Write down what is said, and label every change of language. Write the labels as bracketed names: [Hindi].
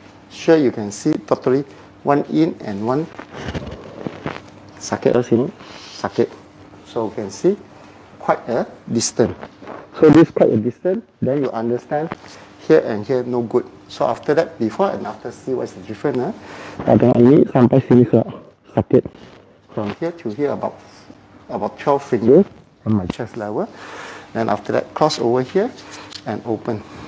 [English] Sure, you can see totally one in and one [Malay] sakit. [English] Sakit. So you can see quite a distance. So this quite a distance. Then you understand here and here no good. So after that, before and after, see what's the difference. [Malay] Tengok ini sampai sini ke sakit. [English] From here to here about 12 fingers on my chest level. Then after that, cross over here and open.